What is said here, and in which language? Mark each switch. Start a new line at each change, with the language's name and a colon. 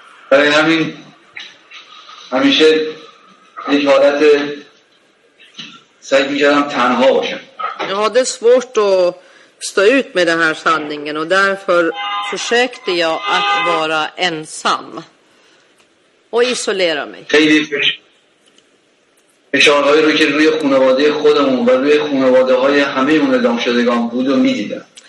Persian: برای همین همیشه یک حالت سعی می‌کردم تنها باشم.
Swedish: Jag hade svårt att stå ut med den här sanningen och därför försökte jag att vara ensam och isolera mig.
Persian: خیلی فشارهایی رو که روی خانواده خودمون و روی خانواده‌های همه اون اعدام شدگان بود و می‌دیدم.